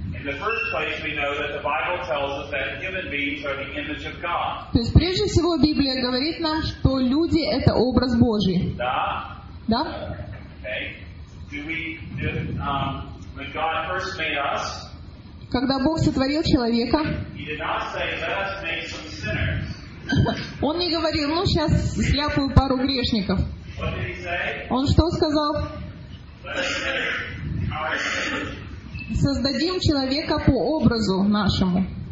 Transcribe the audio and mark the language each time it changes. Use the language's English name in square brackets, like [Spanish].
[English] In the first place, we know that the Bible tells us that human beings are the image of God. [Russian] То есть прежде всего Библия говорит нам, что люди — это образ Божий. Да. Да. [English] Okay. When God first made us, [Russian] когда Бог сотворил человека, [English] He did not say, "Let us make some sinners." [Russian] Он не говорил: "Ну сейчас сляпаю пару грешников." [English] What did He say? [Russian] Он что сказал? Создадим человека по образу нашему.